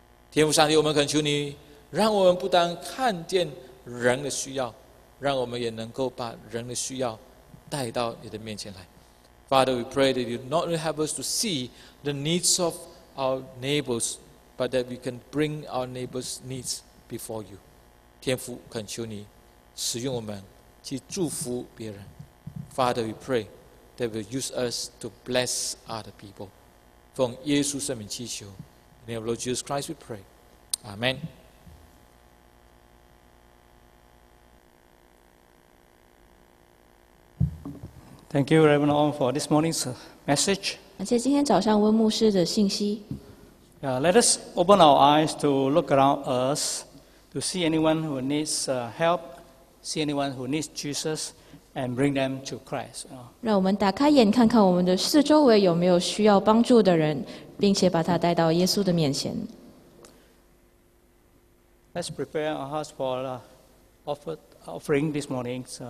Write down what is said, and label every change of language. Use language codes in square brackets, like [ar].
[zh] 天父上帝，我们恳求你让我们不单看见人的需要，让我们也能够把人的需要带到你的面前来。 [en] Father, we pray that you not only help us to see the needs of our neighbors, but that we can bring our neighbors' needs before you. [zh] 天父，恳求你使用我们去祝福别人。 [en] Father, we pray that you use us to bless other people. [zh] 奉耶稣圣名祈求。 [en] In the name of Lord Jesus Christ, we pray. Amen. Thank you, Reverend Owen, for this morning's message. [zh] 感谢今天早上温牧师的信息。 [en] Let us open our eyes to look around us to see anyone who needs help, see anyone who needs Jesus, and bring them to Christ. [zh] 让我们打开眼，看看我们的四周围有没有需要帮助的人，并且把他带到耶稣的面前。 [en] Let's prepare our hearts for offering this morning.